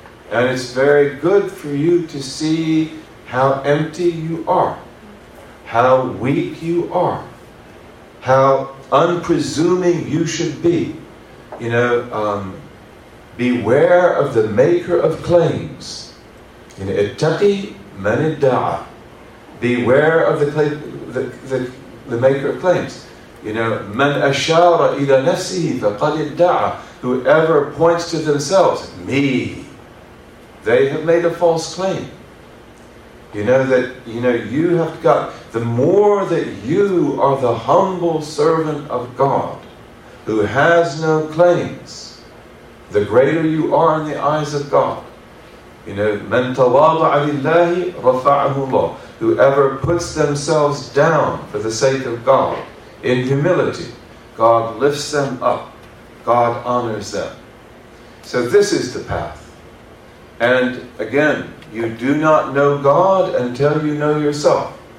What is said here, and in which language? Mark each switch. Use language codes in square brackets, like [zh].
[en] And it's very good for you to see how empty you are, how weak you are, how unpresuming you should be. You know, beware of the maker of claims. You know, [ar] ittaqi man idda'a. [en] Beware of the maker of claims. You know, [ar] من أشار إلى نفسه فقد ادعى. [en] Whoever points to themselves, me, they have made a false claim. You know that, you know, you have got, the more that you are the humble servant of God who has no claims, the greater you are in the eyes of God. You know, [ar] من تواضع لله رفعه الله. [en] Whoever puts themselves down for the sake of God, in humility, God lifts them up, God honors them. So this is the path. And again, you do not know God until you know yourself.